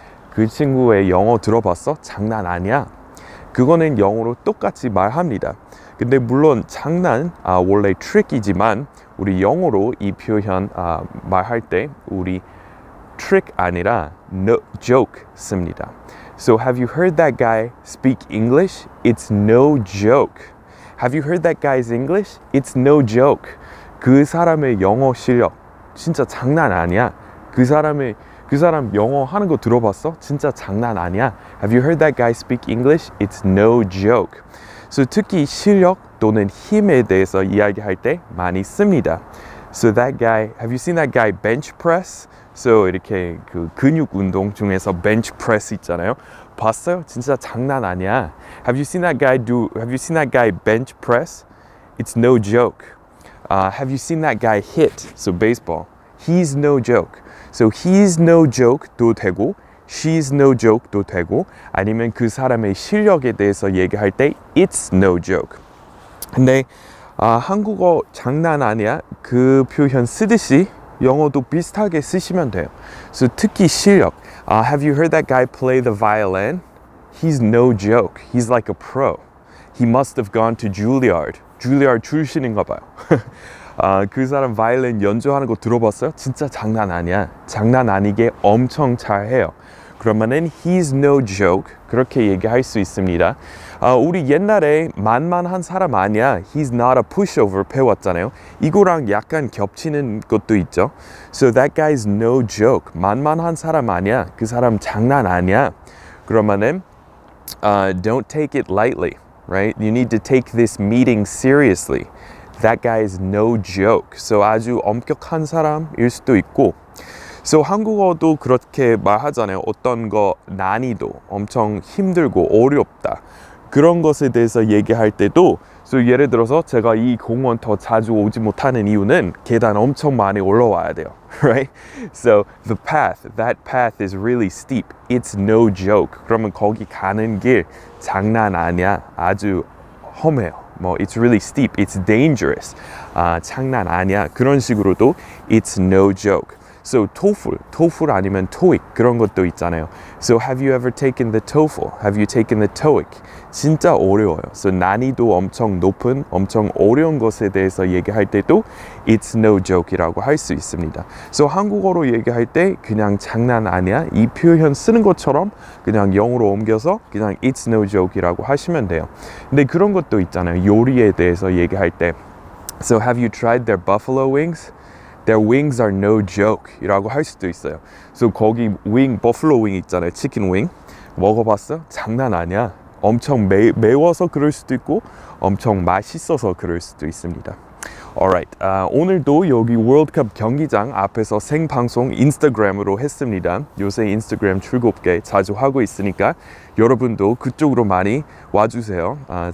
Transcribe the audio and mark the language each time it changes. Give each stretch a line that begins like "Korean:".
Korean: 그 친구의 영어 들어봤어? 장난 아니야. 그거는 영어로 똑같이 말합니다. 근데 물론 장난 원래 trick이지만 우리 영어로 이 표현 말할 때 우리 trick 아니라
English: no joke
Korean: 씁니다.
English: So have you heard that guy speak English? It's no joke. Have you heard that guy's English? It's no joke.
Korean: 그 사람의 영어 실력 진짜 장난 아니야. 그 사람 영어 하는 거 들어봤어? 진짜 장난 아니야.
English: Have you heard that guy speak English? It's no joke.
Korean: So 특히 실력 또는 힘에 대해서 이야기할 때 많이 씁니다.
English: So that guy, have you seen that guy bench press?
Korean: So 이렇게 그 근육 운동 중에서 bench press 있잖아요. 봤어요? 진짜 장난 아니야.
English: Have you seen that guy do? Have you seen that guy bench press? It's no joke. Have you seen that guy hit? So baseball. He's no joke. So he's no joke
Korean: 도 되고,
English: she's no joke
Korean: 도 되고, 아니면 그 사람의 실력에 대해서 얘기할 때
English: it's no joke.
Korean: 근데 한국어 장난 아니야 그 표현 쓰듯이 영어도 비슷하게 쓰시면 돼요. So 특히 실력.
English: Have you heard that guy play the violin? He's no joke. He's like a pro. He must have gone to Juilliard.
Korean: Juilliard 출신인가 봐요. 그 사람 바이올린 연주하는 거 들어봤어요? 진짜 장난 아니야. 장난 아니게 엄청 잘해요. 그러면은
English: he's no joke
Korean: 그렇게 얘기할 수 있습니다. 우리 옛날에 만만한 사람 아니야.
English: He's not a pushover
Korean: 배웠잖아요. 이거랑 약간 겹치는 것도 있죠.
English: So that guy's no joke.
Korean: 만만한 사람 아니야. 그 사람 장난 아니야. 그러면은
English: don't take it lightly, right? You need to take this meeting seriously. That guy is no joke.
Korean: So 아주 엄격한 사람일 수도 있고. So 한국어도 그렇게 말하잖아요. 어떤 거 난이도 엄청 힘들고 어렵다. 그런 것에 대해서 얘기할 때도 So 예를 들어서 제가 이 공원 더 자주 오지 못하는 이유는 계단 엄청 많이 올라와야 돼요.
English: Right? So the path, that path is really steep. It's no joke.
Korean: 그러면 거기 가는 길 장난 아니야. 아주 험해요.
English: 뭐 it's really steep, it's dangerous,
Korean: 장난 아니야 그런 식으로도
English: it's no joke.
Korean: So TOEFL 아니면 TOEIC 그런 것도 있잖아요.
English: So have you ever taken the TOEFL? Have you taken the TOEIC?
Korean: 진짜 어려워요. So 난이도 엄청 높은, 엄청 어려운 것에 대해서 얘기할 때도
English: it's no joke
Korean: 이라고 할 수 있습니다. So 한국어로 얘기할 때 그냥 장난 아니야 이 표현 쓰는 것처럼 그냥 영어로 옮겨서 그냥
English: it's no joke
Korean: 이라고 하시면 돼요. 근데 그런 것도 있잖아요. 요리에 대해서 얘기할 때
English: So have you tried their buffalo wings? Their wings are no joke
Korean: 이라고 할 수도 있어요.
English: So
Korean: 거기
English: wing, buffalo wing
Korean: 있잖아요. chicken wing 먹어봤어? 장난 아니야. 엄청 매워서 그럴 수도 있고 엄청 맛있어서 그럴 수도 있습니다.
English: Alright,
Korean: 오늘도 여기 월드컵 경기장 앞에서 생방송 인스타그램으로 했습니다. 요새 인스타그램 즐겁게 자주 하고 있으니까 여러분도 그쪽으로 많이 와주세요.